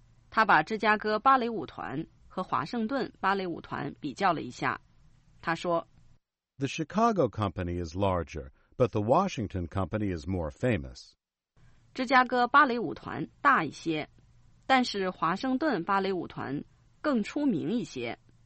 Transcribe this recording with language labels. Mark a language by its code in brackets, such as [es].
[zh] 他把芝加哥芭蕾舞团和华盛顿芭蕾舞团比较了一下。他说 [en] The Chicago company is larger, but the Washington company is more famous. [zh] 芝加哥芭蕾舞团大一些，但是华盛顿芭蕾舞团更出名一些。